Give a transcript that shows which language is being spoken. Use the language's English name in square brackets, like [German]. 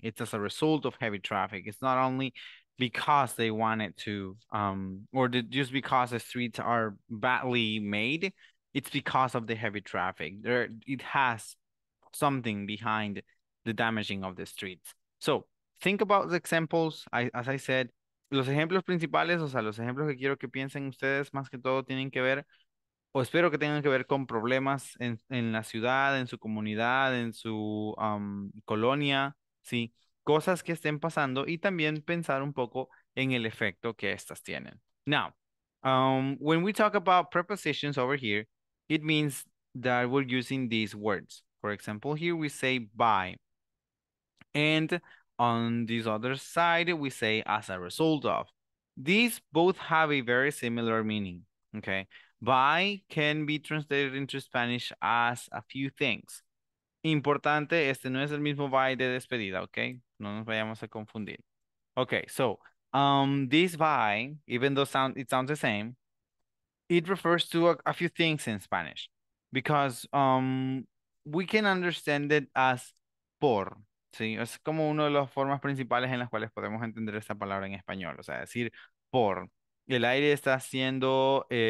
[English] It's as a result of heavy traffic. It's not only because they wanted to, just because the streets are badly made, it's because of the heavy traffic. It has something behind the damaging of the streets. So think about the examples. [Spanish] As I said, los ejemplos principales, o sea, los ejemplos que quiero que piensen ustedes, más que todo tienen que ver, o espero que tengan que ver con problemas en la ciudad, en su comunidad, en su colonia, ¿sí? Cosas que estén pasando y también pensar un poco en el efecto que estas tienen. [English] Now, when we talk about prepositions over here, it means that we're using these words. For example, here we say by. And on this other side, we say as a result of. These both have a very similar meaning, okay? By can be translated into Spanish as a few things. [Spanish] Importante, este no es el mismo by de despedida, okay? No nos vayamos a confundir. [English] Okay, so this by, even though it sounds the same, it refers to a few things in Spanish, because we can understand it as por. [Spanish] Sí, es como una de las formas principales en las cuales podemos entender esta palabra en español. O sea, decir por. El aire está siendo...